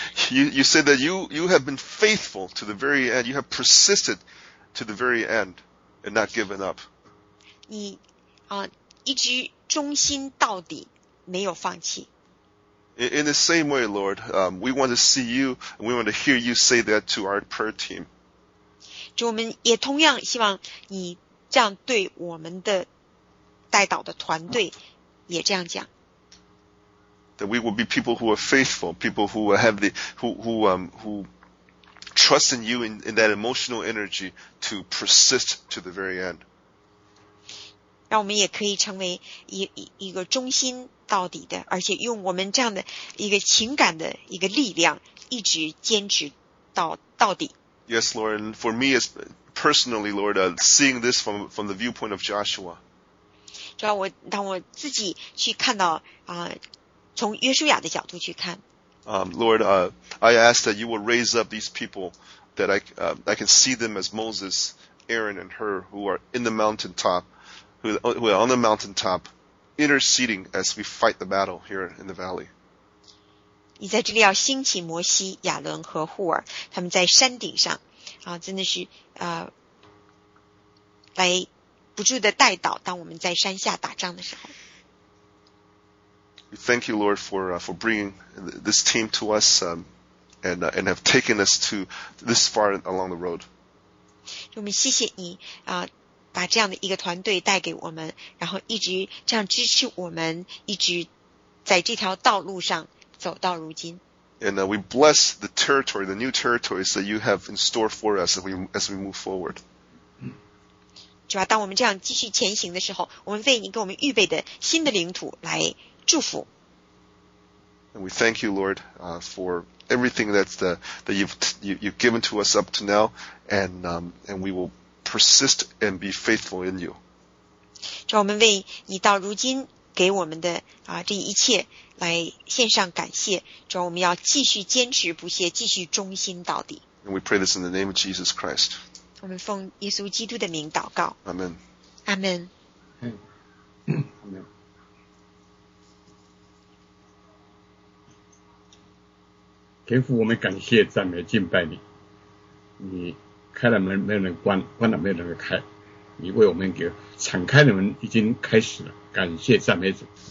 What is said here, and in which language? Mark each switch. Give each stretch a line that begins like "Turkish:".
English: You say that you have been faithful to the very end. You have persisted to the very end and not given up.
Chinese: 你一直忠心到底，没有放弃。
English: In the same way, Lord, we want to see you and we want to hear you say that to our prayer team.
Chinese: 主，我们也同样希望你这样对我们的代祷的团队也这样讲。
English: That we will be people who are faithful, people who have the, who trust in you in that emotional energy to persist to the very end.
Chinese: 让我们也可以成为一个忠心到底的，而且用我们这样的一个情感的一个力量，一直坚持到底。
English: Yes, Lord, and for me as personally, Lord, seeing this from the viewpoint of Joshua.
Chinese: 主要当我自己去看到从约书亚的角度去看。
English: Lord, I ask that you will raise up these people that I can see them as Moses, Aaron, and Hur who are in the mountaintop, who are on the mountaintop, interceding as we fight the battle here in the valley.
Chinese: 你在这里要兴起摩西、亚伦和户尔，他们在山顶上真的是来不住的代祷，当我们在山下打仗的时候。
English: We thank you, Lord, for bringing this team to us, and have taken us to this far along the road.
Chinese: 我们谢谢你把这样的一个团队带给我们，然后一直这样支持我们，一直在这条道路上走到如今。
English: And we bless the territory, the new territories that you have in store for us as we move forward.
Chinese: 主啊，当我们这样继续前行的时候，我们为你给我们预备的新的领土来。祝福。
English: And we thank you, Lord, for everything that you've given to us up to now, and we will persist and be faithful in you.
Chinese: 主，我们为你到如今给我们的这一切来献上感谢。主，我们要继续坚持不懈，继续忠心到底。
English: And we pray this in the name of Jesus Christ.
Chinese: 我们奉耶稣基督的名祷告。
English: Amen. Amen. Amen.
Chinese: 天父，我们感谢赞美敬拜你，你开了门没有人关，关了没有人开，你为我们给敞开的门已经开始了，感谢赞美主。